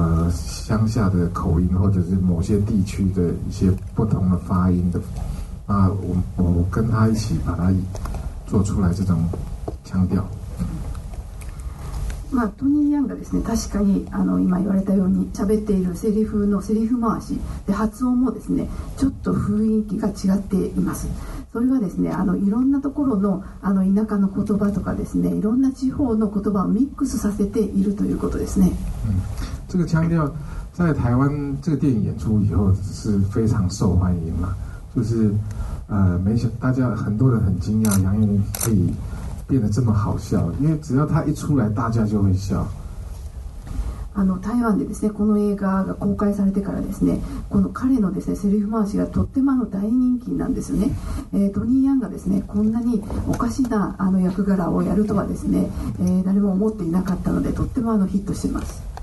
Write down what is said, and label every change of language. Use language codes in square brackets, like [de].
[zh] 乡下的口音或者是某些地区的一些不同的发音的，那 我跟他一起把它做出来这种腔调。 [ja] まあ、トニー・ヤンがですね、確かにあの今言われたように喋っているセリフのセリフ回しで発音もですね、ちょっと雰囲気が違っています。それはですね、あのいろんなところ の, あの田舎の言葉とかですね、いろんな地方の言葉をミックスさせているということですね。 [zh] 这个腔调在台湾这个电影演出以后是非常受欢迎嘛，就是没想大家很多人很惊讶杨佑宁可以变得这么好笑，因为只要他一出来大家就会笑。 [ja] あの台湾でですね、この映画が公開されてからですね、この彼のですね、セリフ回しがとってもあの大人気なんですよね。トニー・ヤンがですね、こんなにおかしなあの役柄をやるとはですね、誰も思っていなかったので、とってもあのヒットしています。